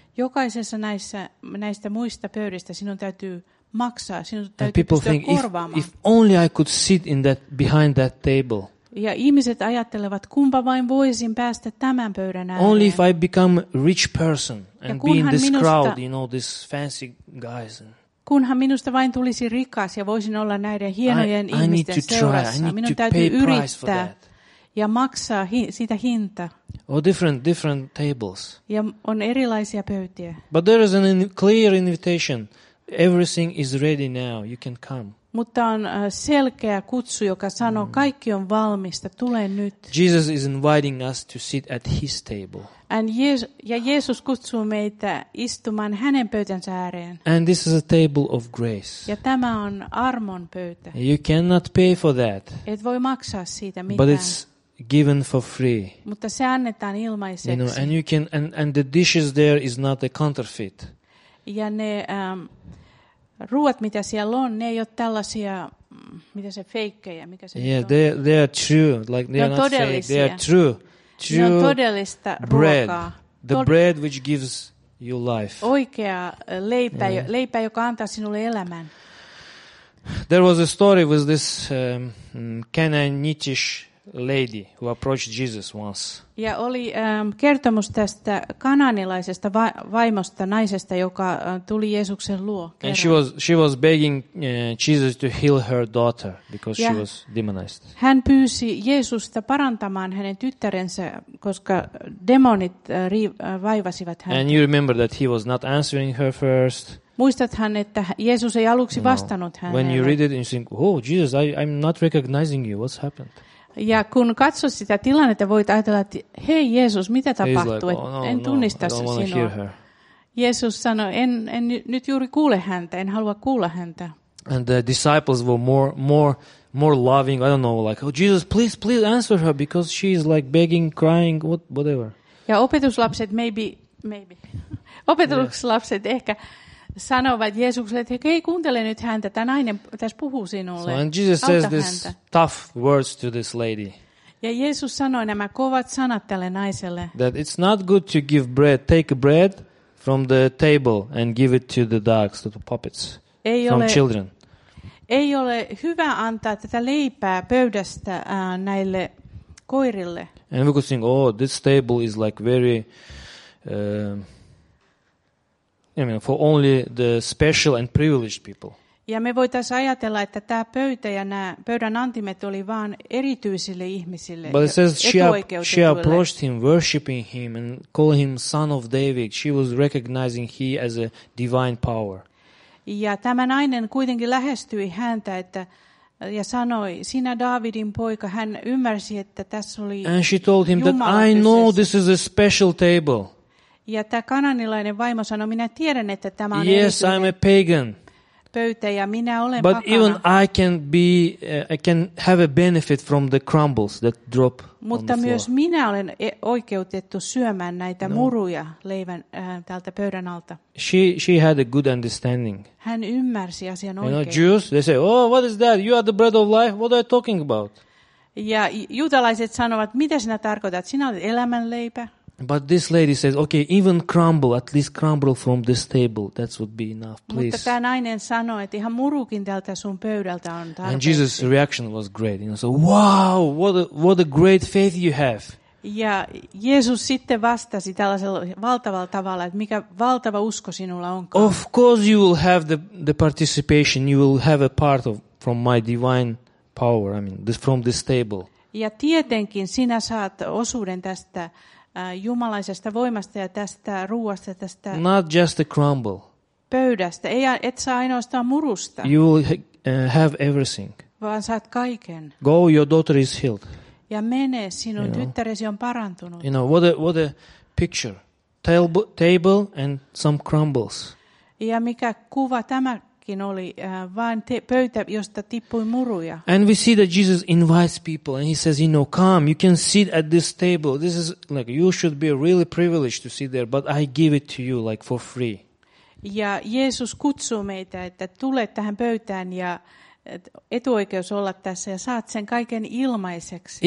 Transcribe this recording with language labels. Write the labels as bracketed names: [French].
[Finnish] Jokaisessa näistä muista pöydistä sinun täytyy maksaa, sinun täytyy pystyä korvaamaan. [English] If only I could sit in that behind that table. [Finnish] Ja ihmiset ajattelevat, kumpa vain voisin päästä tämän pöydän ääreen. [English] Only if I become rich person and be in this crowd, you know, these fancy guys. [Finnish] Kunhan minusta vain tulisi rikas ja voisin olla näiden hienojen ihmisten seurassa. Minun täytyy yrittää ja maksaa sitä hinta. [English] Or different tables. [Finnish] Ja on erilaisia pöytiä. [English] But there is an clear invitation. Everything is ready now. You can come. [Finnish] Mutta on selkeä kutsu, joka sanoo, kaikki on valmista, tule nyt. [English] Jesus is inviting us to sit at his table. [Finnish] Ja Jeesus kutsuu meitä istumaan hänen pöytänsä ääreen. [English] And this is a table of grace. [Finnish] Ja tämä on armon pöytä. [English] You cannot pay for that. [Finnish] Et voi maksaa siitä mitään. [English] But it's given for free. [Finnish] Mutta se annetaan ilmaiseksi. [English] You know, and you can and the dishes there is not a counterfeit. [Finnish] Ja ne ruuat mitä siellä on, ne ei ole tällaisia mitä se feikkejä, mikä se. [English] Yeah, they are true, like they [Finnish] ne [English] are not fake. They are true. True. [Finnish] Ne on todellista [English] bread. [Finnish] Ruokaa. [English] The bread which gives you life. [Finnish] Oikea leipä, yeah. Leipä joka antaa sinulle elämän. [English] There was a story with this Canaanitish lady who approached Jesus once. [Finnish] Ja oli kertomus tästä kananilaisesta vaimosta, naisesta, joka tuli Jeesuksen luo. Kerran. [English] And she was begging Jesus to heal her daughter because she was demonized. [Finnish] Hän pyysi Jeesusta parantamaan hänen tyttärensä, koska demonit vaivasivat hänet. [English] And you remember that he was not answering her first. [Finnish] Muistathan, että Jeesus ei aluksi vastannut hänelle. [English] When you read it and think, oh Jesus, I'm not recognizing you. What's happened? [Finnish] Ja kun katsot sitä tilannetta, voit ajatella, että hei Jeesus, mitä tapahtuu? [English] Like, oh, no, [Finnish] en tunnista sinua. Jeesus sanoi, en nyt juuri kuule häntä, en halua kuulla häntä. [English] And the disciples were more loving. I don't know, like, oh Jesus, please answer her because she is like begging, crying, whatever. [Finnish] Ja opetuslapset [English] maybe. [Finnish] Opetuslapset ehkä sanovat Jeesukselle, että hei, kuuntele nyt häntä, tämä nainen tässä puhuu sinulle. [English] So, and Jesus says this tough words to this lady. [Finnish] Ja Jeesus sanoi nämä kovat sanat tälle naiselle. [English] That it's not good to give bread, take bread from the table and give it to the dogs, to the puppets, from children. [Finnish] Ei ole hyvä antaa tätä leipää pöydästä näille koirille. [English] And we could think, oh, this table is like very... I mean, for only the special and privileged people. [Finnish] Ja me voitaisiin ajatella, että tämä pöytä ja nämä pöydän antimet oli vain erityisille ihmisille. [English] But it says she approached him, worshiping him and calling him son of David. She was recognizing he as a divine power. [Finnish] Ja tämä nainen kuitenkin lähestyi häntä, että ja sanoi, sinä Daavidin poika, hän ymmärsi, että tässä oli Jumala. [English] And she told him that I know this is a special table. [Finnish] Ja tämä kananilainen vaimo sanoi, minä tiedän, että tämä on erityinen. [English] Yes, I'm a pagan. [Finnish] pöytä ja minä olen [English] but [Finnish] pakana. [English] Even I can be I can have a benefit from the crumbles that drop. [Finnish] Mutta [English] on the [Finnish] myös [English] floor. [Finnish] Minä olen oikeutettu syömään näitä muruja leivän tältä pöydän alta. [English] She had a good understanding. [Finnish] Hän ymmärsi asian oikein. [English] You know, Jews, they say, "Oh, what is that? You are the bread of life. What are you talking about?" [Finnish] Ja juutalaiset sanovat, mitä sinä tarkoitat? Sinä olet elämänleipä. [English] But this lady says, okay, even crumble, at least crumble from this table, that would be enough, please. [Finnish] Mutta tämä nainen sanoi, että ihan murukin tältä sun pöydältä on tarpeeksi. [English] And Jesus' reaction was great. You know, so, wow, what a great faith you have. [Finnish] Ja Jeesus sitten vastasi tällaisella valtavalla tavalla, että mikä valtava usko sinulla onkaan. [English] Of course you will have the participation, you will have a part of from my divine power, I mean, this from this table. [Finnish] Ja tietenkin sinä saat osuuden tästä jumalaisesta voimasta ja tästä ruuasta, tästä [English] not just a crumble. [Finnish] Pöydästä. Et saa ainoastaan murusta. [English] You will have everything. [Finnish] Vaan saat kaiken. [English] Go, your daughter is healed. [Finnish] Ja mene, sinun tyttäresi on parantunut. [English] You know, what a picture. Table and some crumbles. [Finnish] Ja mikä kuva tämäkin oli, vain pöytä, josta tippui muruja. [English] And we see that Jesus invites people and he says, you know, come, you can sit at this table. This is like, you should be really privileged to sit there, but I give it to you like for free. [Finnish] Ja Jeesus kutsuu meitä, että tule tähän pöytään ja etuoikeus olla tässä ja saat sen kaiken ilmaiseksi.